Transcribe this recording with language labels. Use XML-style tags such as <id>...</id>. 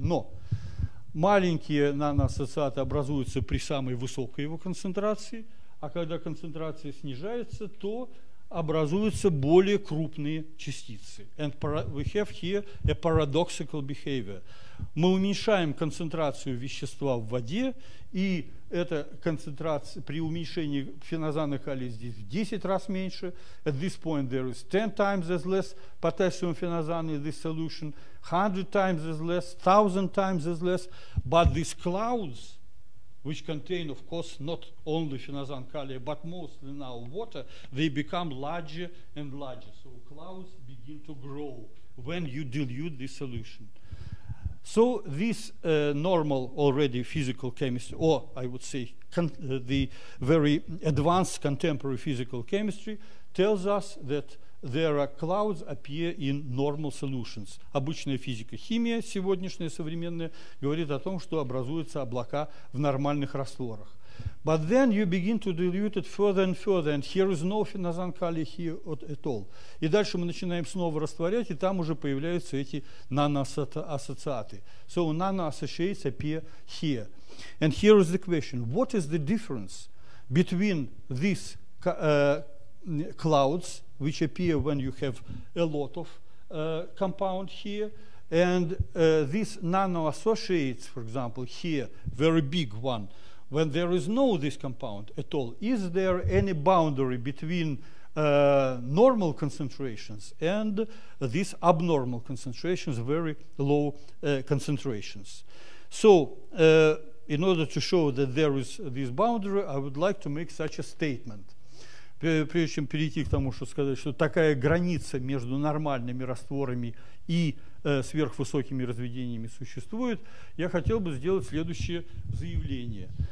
<ru>Но маленькие наноассоциаты образуются при самой высокой его концентрации, а когда концентрация снижается, то образуются более крупные частицы.</ru> <en>And we have here a paradoxical behavior.</en> <ru>Мы уменьшаем концентрацию вещества в воде, и эта концентрация при уменьшении феназана калия здесь в 10 раз меньше.</ru> <en>At this point there is 10 times as less potassium phenazan in this solution, 100 times as less, 1000 times as less. But these clouds, which contain, of course, not only phenazan calia, but mostly now water, they become larger and larger. So clouds begin to grow when you dilute this solution. So this normal already physical chemistry, or I would say the very advanced contemporary physical chemistry, tells us that there are clouds appear in normal solutions.</en> <ru>Обычная физико-химия сегодняшняя, современная, говорит о том, что образуются облака в нормальных растворах.</ru> <en>But then you begin to dilute it further and further, and here is no phenazan calia here at all.</en> <ru>И дальше мы начинаем снова растворять, и там уже появляются эти наноассоциаты.</ru> <en>So nanoassociates appear here. And here is the question. What is the difference between these clouds, which appear when you have a lot of compound here, and these nanoassociates, for example, here, very big one, when there is no this compound at all? Is there any boundary between normal concentrations and these abnormal concentrations, very low concentrations? So in order to show that there is this boundary, I would like to make such a statement.</en> <ru>Прежде чем перейти к тому, что сказать, что такая граница между нормальными растворами и сверхвысокими разведениями существует, я хотел бы сделать следующее заявление.</ru>